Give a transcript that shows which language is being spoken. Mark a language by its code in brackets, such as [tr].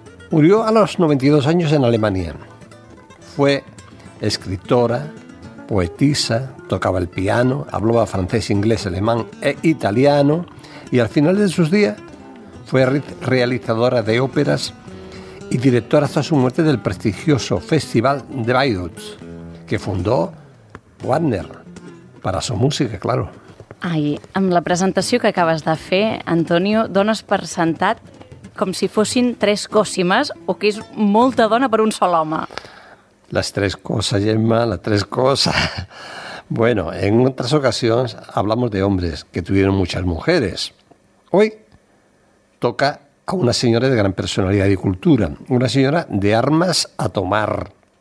[es] Murió a los 92 años en Alemania. Fue escritora, poetisa, tocaba el piano, hablaba francés, inglés, alemán e italiano, y al final de sus días fue realizadora de óperas y directora hasta su muerte del prestigioso Festival de Bayreuth, que fundó Wagner, para su música, claro. [ca] Ai, amb la presentació que acabes de fer, Antonio, dones per sentat com si fossin tres Cosimes, o que és molta dona per un sol home. [es] Las tres cosas, Gemma, las tres cosas. Bueno, en otras ocasiones hablamos de hombres que tuvieron muchas mujeres. Hoy toca a una señora de gran personalidad y cultura, una señora de armas a tomar.